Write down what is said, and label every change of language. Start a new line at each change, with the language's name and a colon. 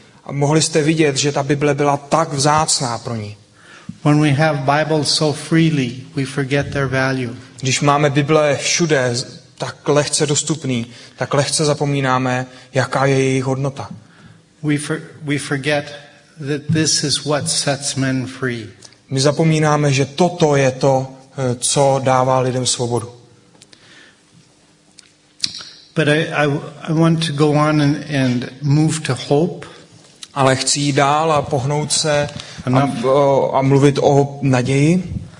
Czech: A mohli jste vidět, že ta Bible byla tak vzácná pro ní.
English: When we have Bibles so freely, we forget their value.
Czech: Když máme Bible všude tak lehce dostupný, tak lehce zapomínáme, jaká je jejich hodnota.
English: We forget that this is what sets men free.
Czech: My zapomínáme, že toto je to, co dává lidem svobodu.
English: But I want to go on and move to hope.
Czech: Ale chci jít dál a pohnout se a mluvit o naději.